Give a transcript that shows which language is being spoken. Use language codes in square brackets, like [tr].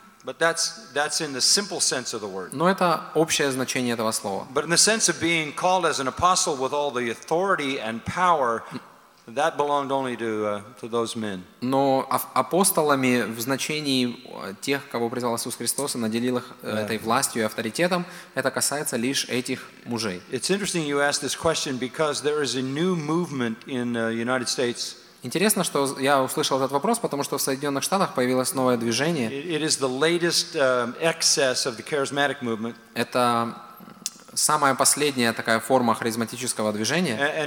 [en] But that's in the simple sense of the word. [ru] Но это общее значение этого слова. [en] But in the sense of being called as an apostle with all the authority and power, that belonged only to those men. [ru] Но апостолами в значении тех, кого призвал Иисус Христос и наделил их этой властью и авторитетом, это касается лишь этих мужей. [en] It's interesting you ask this question because there is a new movement in the United States. [ru] Интересно, что я услышал этот вопрос, потому что в Соединенных Штатах появилось новое движение. Это самая последняя такая форма харизматического движения.